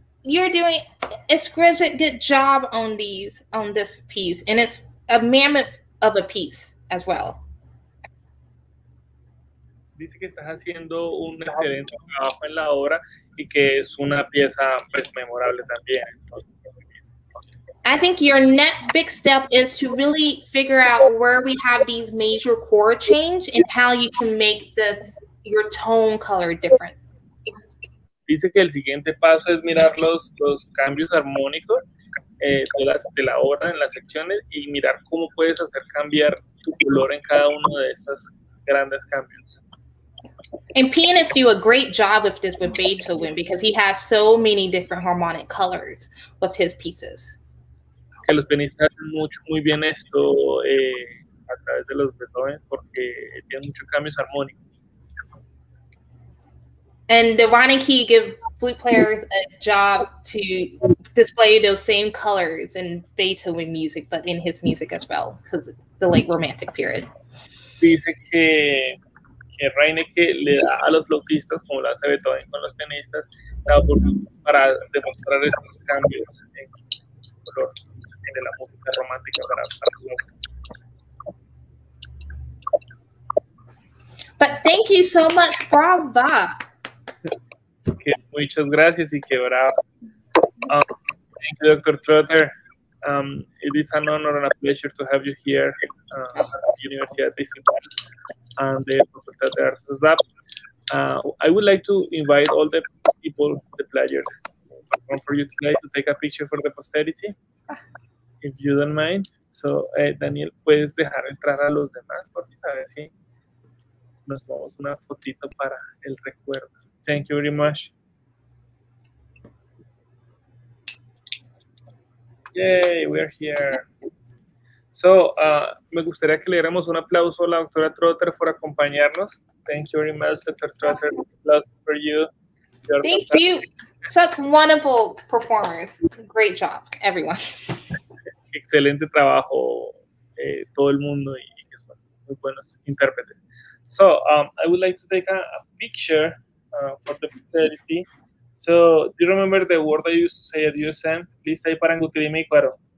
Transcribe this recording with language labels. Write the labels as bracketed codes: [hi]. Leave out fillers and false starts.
[en] You're doing exquisite good job on these, on this piece, and it's a mammoth of a piece as well. [es] Dice que estás haciendo un excelente trabajo en la obra y que es una pieza pues memorable también. [en] I think your next big step is to really figure out where we have these major chord change and how you can make this your tone color different. [es] Dice que el siguiente paso es mirar los cambios armónicos de la obra en las secciones y mirar cómo puedes hacer cambiar tu color en cada uno de estos grandes cambios. [en] And pianists do a great job with this with Beethoven because he has so many different harmonic colors with his pieces. [es] Que los pianistas hacen mucho, muy bien esto a través de los Beethoven porque tienen muchos cambios armónicos. [en] And the Ron and Key give flute players a job to display those same colors in Beethoven music, but in his music as well, because the late Romantic period. [es] Dice que Reineke le da a los flautistas, como lo hace Beethoven con los pianistas, la oportunidad para demostrar esos cambios en color de la música romántica para [en] But thank you so much, Brava. [es] Que muchas gracias y que bravo. [en] Thank you, Dr. Trotter. It is an honor and a pleasure to have you here at the Universidad Distrital and the Facultad de Artes ASAB. I would like to invite all the people, the players, for you tonight to take a picture for the posterity, if you don't mind. [es] So, Daniel, puedes dejar entrar a los demás, porque sabes si nos vamos una fotito para el recuerdo. [en] Thank you very much. Yay, we're here. [es] So, me gustaría que le diéramos un aplauso a la doctora Trotter por acompañarnos. [en] Thank you very much, Dr. Trotter. Applause for you. Thank you. Such wonderful performers. Great job, everyone. [es] Excelente trabajo, todo el mundo y que son muy buenos intérpretes. [en] So, I would like to take a picture for the posterity. So, do you remember the word I used to say at USM? Please say parangutili mi cuero.